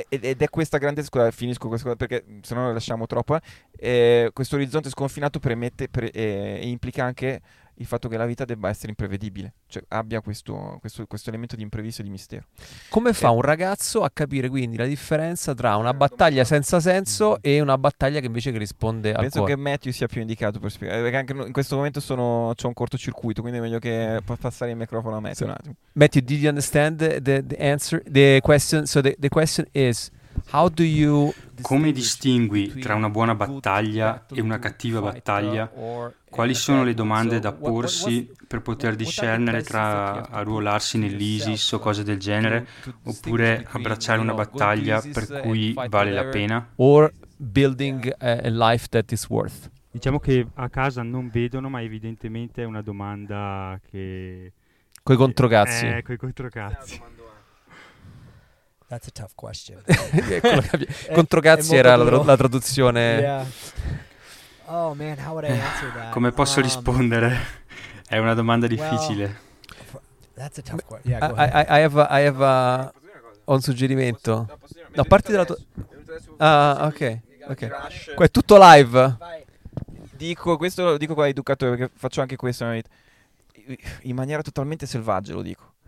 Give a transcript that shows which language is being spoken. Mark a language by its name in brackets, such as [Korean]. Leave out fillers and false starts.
[Italian] Ed è questa grande, scusa, finisco questa cosa perché se no lasciamo troppo, questo orizzonte sconfinato implica anche il fatto che la vita debba essere imprevedibile, cioè abbia questo elemento di imprevisto e di mistero. Come fa un ragazzo a capire quindi la differenza tra una battaglia senza senso e una battaglia che invece che risponde al cuore? Penso che Matthew sia più indicato per spiegare, perché anche in questo momento c'ho un cortocircuito, quindi è meglio che passare il microfono a Matthew. [English] So, [Italian] un attimo. [English] Matthew, did you understand the answer, the question? So the question is, how do you... [Italian] Come distingui tra una buona battaglia e una cattiva battaglia? Quali sono le domande da porsi per poter discernere tra arruolarsi nell'ISIS o cose del genere, oppure abbracciare una battaglia per cui vale la pena? [English] Or building a life that is worth. [Italian] Diciamo che a casa non vedono, ma evidentemente è una domanda che... Coi controcazzi. Coi controcazzi. [English] That's a tough question. [Italian] Controcazzi era la traduzione. [English] Yeah. Oh man, how would I answer that? [Italian] Come posso rispondere? È una domanda difficile. [English] That's a tough question. Yeah, I have [Italian] un suggerimento. No, parti dalla tua. Ok. Qua è tutto live. Dico qua, educatore, perché faccio anche questo in maniera totalmente selvaggia, lo dico.